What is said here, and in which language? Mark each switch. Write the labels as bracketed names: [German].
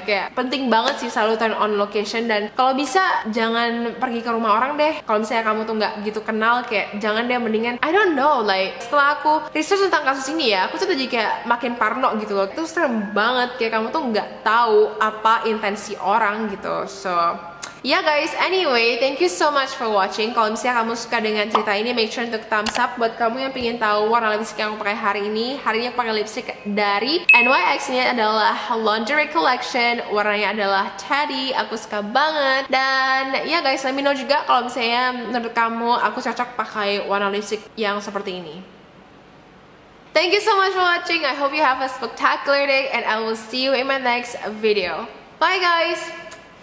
[Indonesian] Kayak penting banget sih selalu [English] turn on location, [Indonesian] dan kalau bisa jangan pergi ke rumah orang deh. Kalau misalnya kamu tuh nggak gitu kenal, kayak jangan deh, mendingan [English] I don't know. [Indonesian] Like setelah aku research tentang kasus ini ya, aku tuh jadi kayak makin parno gitu loh. Itu serem banget, kayak kamu tuh nggak tahu apa intensi orang gitu. So [English] Yeah guys, anyway, thank you so much for watching. [Indonesian] Kalau misalnya kamu suka dengan cerita ini, [English] make sure [Indonesian] untuk thumbs up. Buat kamu yang pengen tahu warna lipstick yang aku pakai hari ini, hari ini aku pakai lipstick dari NYX, ini adalah Lingerie Collection, warnanya adalah Teddy, aku suka banget. Dan yeah guys, [English] let me know [Indonesian] juga kalau misalnya menurut kamu aku cocok pakai warna lipstick yang seperti ini. [English] Thank you so much for watching. I hope you have a spectacular day and I will see you in my next video. Bye guys!